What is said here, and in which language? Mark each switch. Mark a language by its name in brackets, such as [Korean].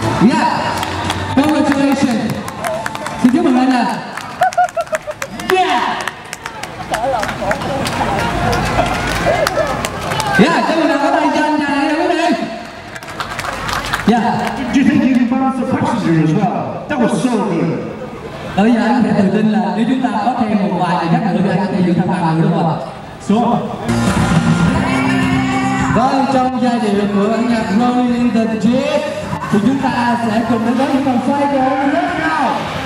[Vietnamese] Yeah. [English] Congratulations. [Vietnamese] Xin chúc mừng anh ạ. Yeah, chúc mừng các bạn cho anh chàng này đúng không? Yeah. [English] Do you think you can bounce the passenger as well? That was so good. [Vietnamese] Ở dưới anh sẽ tự tin là nếu chúng ta có thêm một vài người khác nữa thì anh sẽ giữ thăng bằng đúng không ạ? So. Vâng, trong giai điệu của anh nhạc Rolling in the Jeep thì chúng ta sẽ cùng đến với những phần xoay của anh nhạc rất cao.